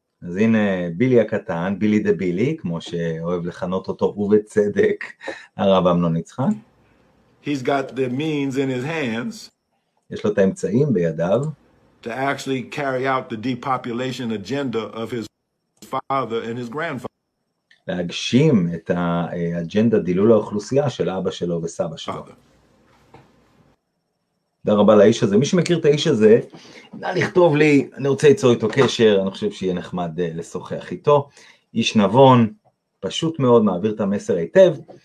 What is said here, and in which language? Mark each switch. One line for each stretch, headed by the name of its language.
Hebrew: אז הנה בילי הקטן, בילי דה בילי, כמו שאוהב לכנות אותו, ובצדק, הרב אמנון יצחק.
English: He's got the means in his hands.
Hebrew: יש לו את האמצעים בידיו.
English: To actually carry out the depopulation agenda of his father and his grandfather.
Hebrew: להגשים את האג'נדה דילול האוכלוסייה של אבא שלו וסבא שלו. תודה רבה לאיש הזה. מי שמכיר את האיש הזה, נא לכתוב לי, אני רוצה ליצור איתו קשר, אני חושב שיהיה נחמד לשוחח איתו. איש נבון, פשוט מאוד, מעביר את המסר היטב.